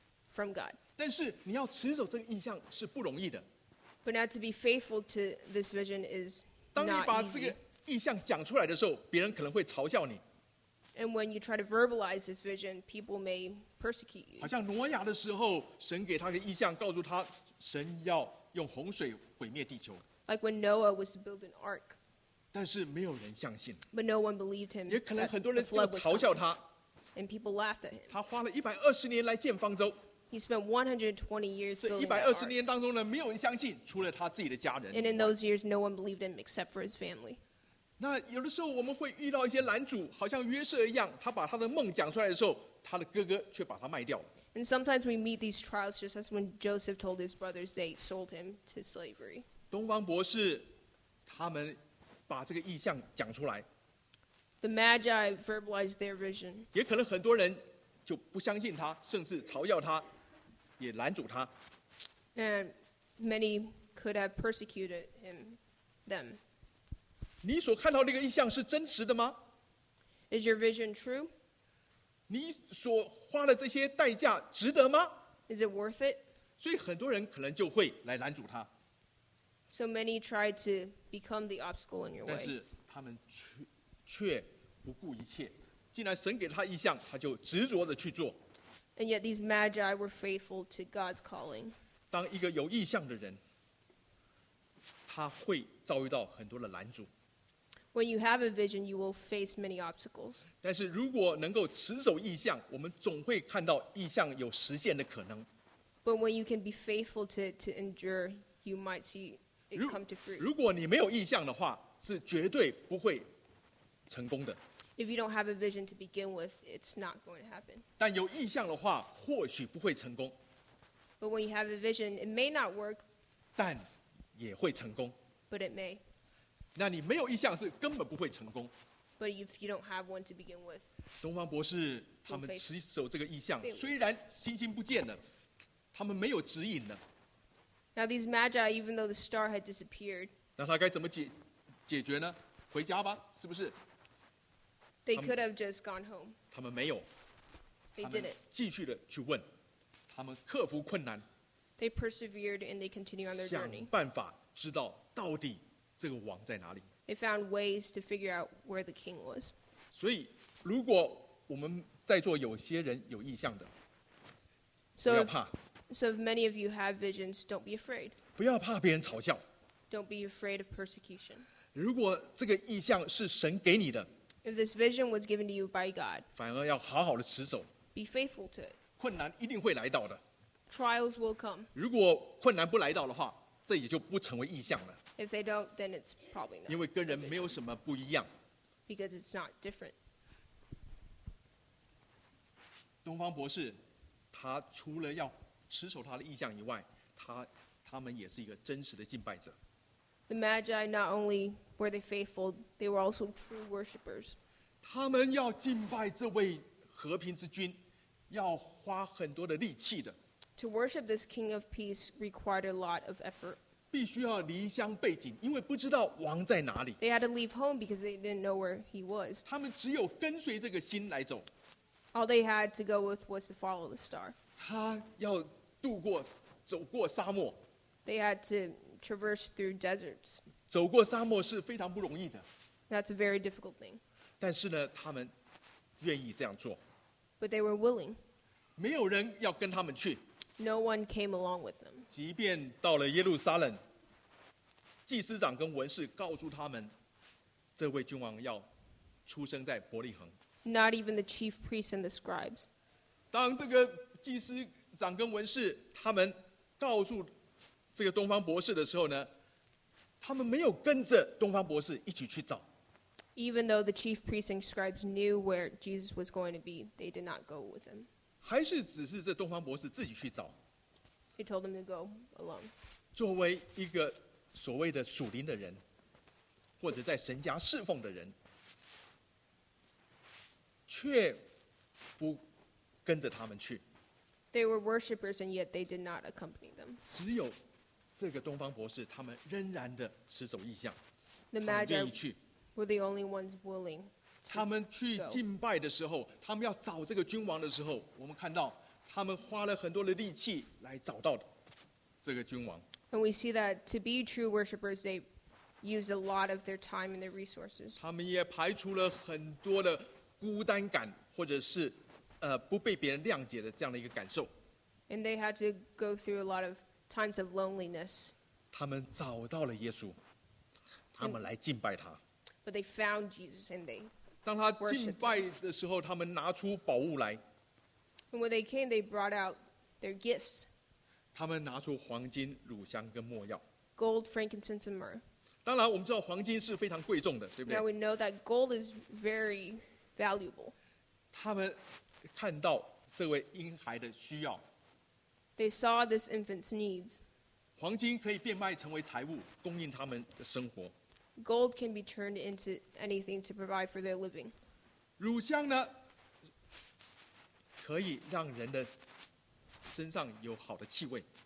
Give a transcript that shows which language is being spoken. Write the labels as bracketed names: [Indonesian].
[English] From God. But now to be faithful to this vision is not easy. [Chinese] 当你把这个意象讲出来的时候，别人可能会嘲笑你。 [English] And when you try to verbalize this vision, people may persecute you. [Chinese] 好像挪亚的时候，神给他的意象，告诉他神要用洪水毁灭地球。 [English] Like when Noah was to build an ark. [Chinese] 但是没有人相信。 [English] But no one believed him. [Chinese] 也可能很多人就嘲笑他。 [English] And people laughed at him. [Chinese] 他花了120年来建方舟。 [English] He spent 120 years building that ark. [Chinese] 这120年当中呢，没有人相信，除了他自己的家人。 [English] And in those years, no one believed him except for his family. [Chinese] 那有的时候我们会遇到一些拦阻，好像约瑟一样，他把他的梦讲出来的时候，他的哥哥却把他卖掉了。 [English] And sometimes we meet these trials just as when Joseph told his brothers they sold him to slavery. [Chinese] 东方博士他们把这个意象讲出来。 [English] The Magi verbalized their vision. [Chinese] 也可能很多人就不相信他，甚至嘲笑他，也拦阻他。 [English] And many could have persecuted him, them. [Chinese] 你所看到那个意象是真实的吗？ [English] Is your vision true? [Chinese] 你所花的这些代价值得吗？ [English] Is it worth it? [Chinese] 所以很多人可能就会来拦阻他。 [English] So many try to become the obstacle in your way. [Chinese] 但是他们却不顾一切，既然神给他意象，他就执着的去做。 [English] And yet these magi were faithful to God's calling. [Chinese] 当一个有意象的人，他会遭遇到很多的拦阻。 [English] When you have a vision, you will face many obstacles. [Chinese] 但是如果能够持守意象，我们总会看到意象有实现的可能。 [English] But when you can be faithful to endure, you might see it come to fruit. [Chinese] 如果你没有意象的话，是绝对不会成功的。 [English] If you don't have a vision to begin with, it's not going to happen. [Chinese] 但有意向的话，或许不会成功。 [English] But when you have a vision, it may not work. [Chinese] 但也会成功。 [English] But it may. [Chinese] 那你没有意向是根本不会成功。 [English] But if you don't have one to begin with. [Chinese] 东方博士他们持守这个意向，虽然星星不见了，他们没有指引了。 [English] Now these magi, even though the star had disappeared. [Chinese] 那他该怎么解决呢？回家吧，是不是？ [English] They could have just gone home. [Chinese] 他们没有。 [English] They did it. [Chinese] 继续的去问，他们克服困难。 [English] They persevered and they continued on their journey. [Chinese] 想办法知道到底这个王在哪里。 [English] They found ways to figure out where the king was. [Chinese] 所以，如果我们在座有些人有意向的，不要怕。 [English] So if many of you have visions, don't be afraid. [Chinese] 不要怕别人嘲笑。 [English] Don't be afraid of persecution. [Chinese] 如果这个意向是神给你的。 [English] If this vision was given to you by God, [Chinese] 反而要好好的持守。 [English] Be faithful to it. [Chinese] 困难一定会来到的。 [English] Trials will come. [Chinese] 如果困难不来到的话，这也就不成为异象了。 [English] If they don't, then it's probably not. [Chinese] 因为跟人没有什么不一样。 [English] Because it's not different. [Chinese] 东方博士，他除了要持守他的异象以外，他们也是一个真实的敬拜者。 [English] The Magi, not only were they faithful, they were also true worshippers. [Chinese] 他们要敬拜这位和平之君，要花很多的力气的。 [English] To worship this King of Peace required a lot of effort. [Chinese] 必须要离乡背井，因为不知道王在哪里。 [English] They had to leave home because they didn't know where he was. [Chinese] 他们只有跟随这个星来走。 [English] All they had to go with was to follow the star. [Chinese] 他要渡过，走过沙漠。 [English] They had to traverse through deserts. [Chinese] 走过沙漠是非常不容易的。 [English] That's a very difficult thing. [Chinese] 但是呢，他们愿意这样做。 [English] But they were willing. [Chinese] 没有人要跟他们去。 [English] No one came along with them. [Chinese] 即便到了耶路撒冷，祭司长跟文士告诉他们，这位君王要出生在伯利恒。 [English] Not even the chief priests and the scribes. [Chinese] 当这个祭司长跟文士他们告诉这个东方博士的时候呢，他们没有跟着东方博士一起去找。 [English] Even though the chief priests and scribes knew where Jesus was going to be, they did not go with him. [Chinese] 还是只是这东方博士自己去找。 [English] He told them to go alone. [Chinese] 作为一个所谓的属灵的人，或者在神家侍奉的人，却不跟着他们去。 [English] They were worshippers and yet they did not accompany them. [Chinese] 只有这个东方博士他们仍然的持守意向，他们愿意去。 [English] Were the only ones willing to go. [Chinese] 他们去敬拜的时候，他们要找这个君王的时候，我们看到他们花了很多的力气来找到这个君王。 [English] And we see that to be true worshippers, they use a lot of their time and their resources. [Chinese] 他们也排除了很多的孤单感，或者是不被别人谅解的这样的一个感受。 [English] And they had to go through a lot of times of loneliness. [Chinese] 他们找到了耶稣，他们来敬拜他。 [English] But they found Jesus and they worshipped him. [Chinese] 当他敬拜的时候，他们拿出宝物来。 [English] And when they came, they brought out their gifts. [Chinese] 他们拿出黄金、乳香跟没药。 [English] Gold, frankincense, and myrrh. [Chinese] 当然，我们知道黄金是非常贵重的，对不对 [English] ？Now we know that gold is very valuable. [Chinese] 他们看到这位婴孩的需要。 [English] They saw this infant's needs. [Chinese] 黄金可以变卖成为财物，供应他们的生活。 [English] Gold can be turned into anything to provide for their living. [Chinese] 乳香呢，可以让人的身上有好的气味。